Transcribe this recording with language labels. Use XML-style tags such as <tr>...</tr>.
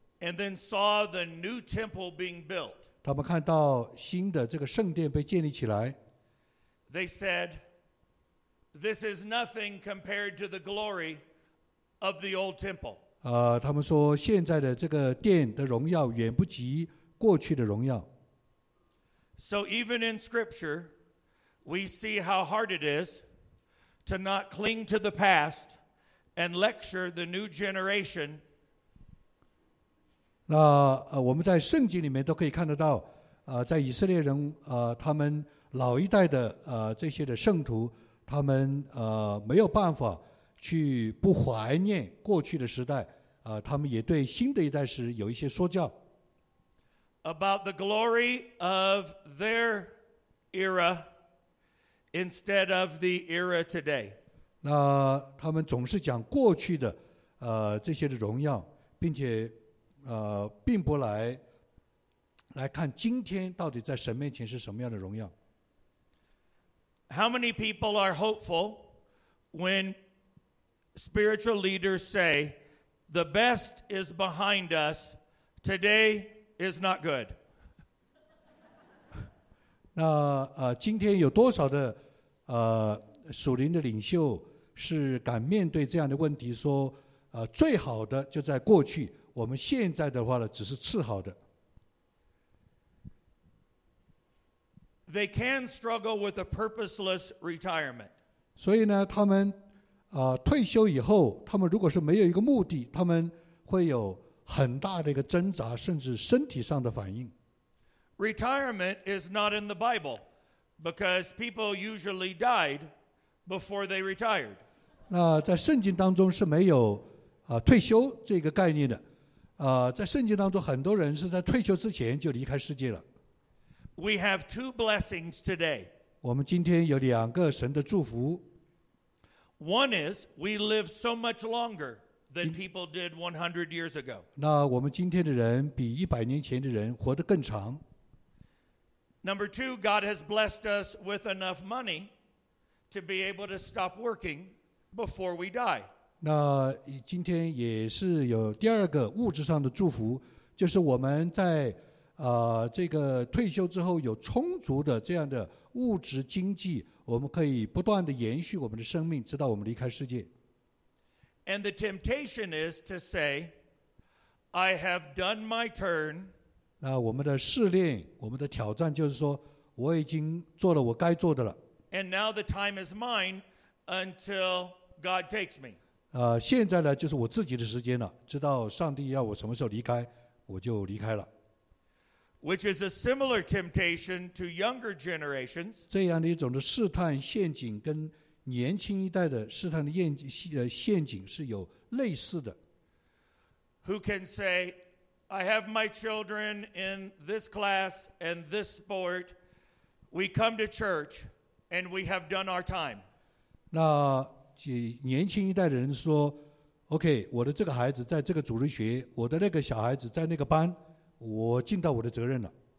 <en>，and then saw the new temple being built，</en> <zh>他们看到新的这个圣殿被建立起来</zh> <en>，they said， this is nothing compared to the glory of the old temple。</en> <zh>他们说现在的这个殿的荣耀远不及。过去的荣耀。</zh> <en>So even in Scripture, we see how hard it is to not cling to the past and lecture the new generation.</en> <zh>那我们在圣经里面都可以看得到，在以色列人他们老一代的这些的圣徒，他们没有办法去不怀念过去的时代，他们也对新的一代是有一些说教。</zh> <en>About the glory of their era instead of the era today.</en> <zh>那他们总是讲过去的这些的荣耀，并且并不来看今天到底在神面前是什么样的荣耀。</zh> <en>How many people are hopeful when spiritual leaders say the best is behind us today? Is not good.</en> <zh>那今天有多少的属灵的领袖是敢面对这样的问题，说最好的就在过去，我们现在的话呢，只是次好的。</zh> <en>They can struggle with a purposeless retirement.</en> <zh>所以呢，他们退休以后，他们如果是没有一个目的，他们会有。很大的一个挣扎，甚至身体上的反应。</zh> <en>Retirement is not in the Bible, because people usually died before they retired.</en> <zh>那在圣经当中是没有退休这个概念的，在圣经当中很多人是在退休之前就离开世界了。</zh> <en>We have two blessings today.</en> <zh>我们今天有两个神的祝福。</zh> <en>One is we live so much longer than people did 100 years ago.</en> <zh>那我们今天的人比一百年前的人活得更长。</zh> <en>Number two, God has blessed us with enough money to be able to stop working before we die.</en> <zh>那今天也是有第二个物质上的祝福，就是我们在这个退休之后有充足的这样的物质经济，我们可以不断的延续我们的生命，直到我们离开世界。</zh> <en>And the temptation is to say, I have done my turn.</en> <zh>那我们的试炼，我们的挑战就是说，我已经做了我该做的了。</zh> <en>And now the time is mine until God takes me.</en> <zh>现在呢，就是我自己的时间了，直到上帝要我什么时候离开，我就离开了。</zh> <en>Which is a similar temptation to younger generations.</en> <zh>这样的一种的试探陷阱跟年轻一代的试探的陷阱是有类似的。</zh> <en>Who can say, I have my children in this class and this sport. We come to church and we have done our time.</en> <zh>那年轻一代的人说 OK, 我的这个孩子在这个主日学，我的那个小孩子在那个班，我尽到我的责任了。</zh>